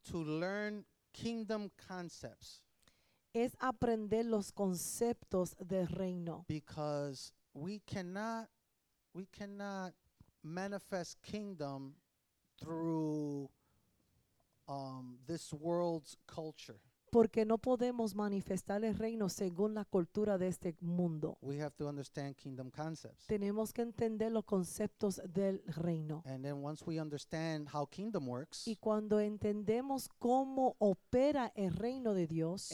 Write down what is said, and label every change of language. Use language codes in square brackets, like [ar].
[en] to learn kingdom concepts. [es] Es aprender los conceptos del reino. [en] Because we cannot manifest kingdom through this world's culture. [es] Porque no podemos manifestar el reino según la cultura de este mundo. [en] We have to understand kingdom concepts. [es] Tenemos que entender los conceptos del reino. [en] And then once we understand how kingdom works, [es] y cuando entendemos cómo opera el reino de Dios,